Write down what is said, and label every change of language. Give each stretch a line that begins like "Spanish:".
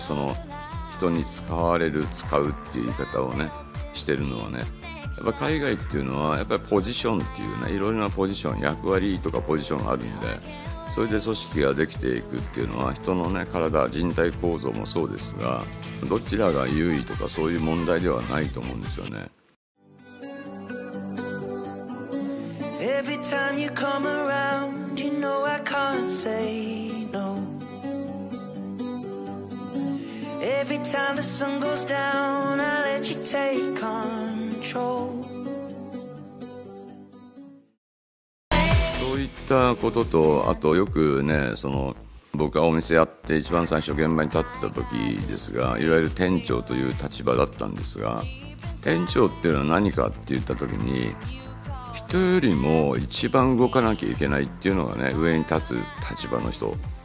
Japanese: その人に使われる使うっていう言い方をねしてるのはね、やっぱ海外っていうのはやっぱりポジションっていうね、いろいろなポジション役割とかポジションがあるんで、それで組織ができていくっていうのは、人のね体人体構造もそうですが、どちらが優位とかそういう問題ではないと思うんですよね。
English: Every time you come around, you know I can't say no. Every time the sun goes down, I let you take control.
Japanese: そういったことと、あとよくね、その僕がお店やって一番最初現場に立ってた時ですが、いわゆる店長という立場だったんですが、店長っていうのは何かって言った時に、人よりも一番動かなきゃいけないっていうのがね、上に立つ立場の人、